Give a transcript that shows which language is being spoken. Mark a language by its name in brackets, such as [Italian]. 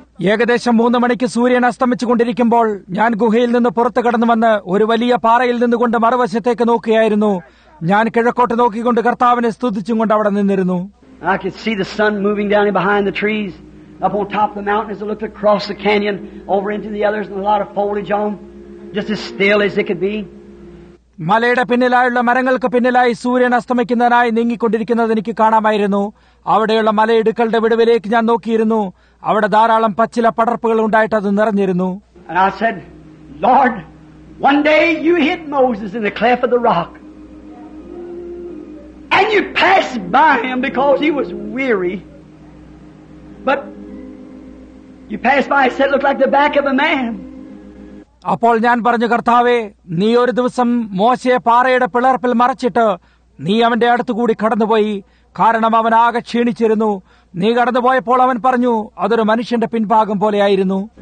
[Malayalam] ഏകദേശം 3 മണിക്ക് സൂര്യൻ അസ്തമിച്ചുകൊണ്ടിരിക്കുമ്പോൾ ഞാൻ ഗുഹയിൽ നിന്ന് പുറത്തു കടന്നു വന്ന് ഒരു വലിയ പാറയിൽ നിന്നുകൊണ്ട് മറുവശത്തേക്ക് നോക്കുകയായിരുന്നു. ഞാൻ കിഴക്കോട്ട് നോക്കിക്കൊണ്ട് കർത്താവിനെ സ്തുതിച്ചുകൊണ്ട് അവിടെ നിന്നിരുന്നു. [English] I could see the sun moving down behind the trees up on top of the mountain as I looked across the canyon over into the others and a lot of foliage on, just as still as it could be. [Malayalam] മലയുടെ പിന്നിലായുള്ള മരങ്ങൾക്ക് പിന്നിലായി സൂര്യൻ അസ്തമിക്കുന്നതിനായി നീങ്ങിക്കൊണ്ടിരിക്കുന്നത് എനിക്ക് കാണാമായിരുന്നു. അവിടെയുള്ള മലയിടുക്കളുടെ വിടവിലേക്ക് ഞാൻ നോക്കിയിരുന്നു. അവിടെ ധാരാളം പച്ചില പടർപ്പുകൾ ഉണ്ടായിട്ട് അത് നിറഞ്ഞിരുന്നു. [English] And I said, Lord, one day you hit Moses in the cleft of the rock. And you passed by him because he was weary. But you passed by, he said, looked like the back of a man. [Malayalam] അപ്പോൾ ഞാൻ പറഞ്ഞു, കർത്താവേ, നീ ഒരു ദിവസം മോശയെ പാറയുടെ പിളർപ്പിൽ മറച്ചിട്ട് നീ അവന്റെ അടുത്തുകൂടി കടന്നുപോയി. കാരണം അവൻ ആകെ ക്ഷീണിച്ചിരുന്നു. നീ കടന്നുപോയപ്പോൾ അവൻ പറഞ്ഞു, അതൊരു മനുഷ്യന്റെ പിൻഭാഗം പോലെയായിരുന്നു.